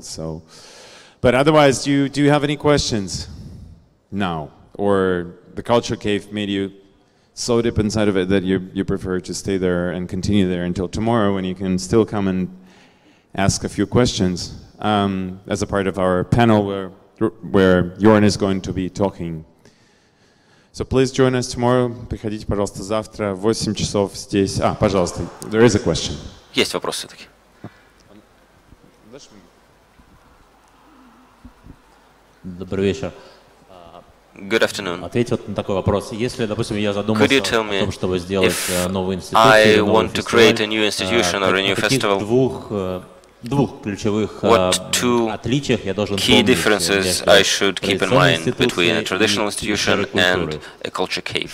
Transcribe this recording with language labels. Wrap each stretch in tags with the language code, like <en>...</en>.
<en>So, but otherwise, do you have any questions now, or the Culture Cave made you so deep inside of it that you prefer to stay there and continue there until tomorrow, when you can still come and ask a few questions as a part of our panel where Jorn is going to be talking. So please join us tomorrow.</en> <ru>Приходите, пожалуйста, завтра в 8 часов здесь. А, пожалуйста,</ru> <en>there is a question.</en> <ru>Есть вопрос все-таки. Добрый вечер.</ru> <en>Good afternoon.</en> <ru>Ответить на такой вопрос. Если, допустим, я задумался о том, чтобы сделать новый институт,</ru> <en>I want to create a new institution or a new festival.</en> <ru>Двух ключевых отличиях я должен помнить.</ru> <en>Key differences I should keep in mind between a traditional institution and a culture cave.</en>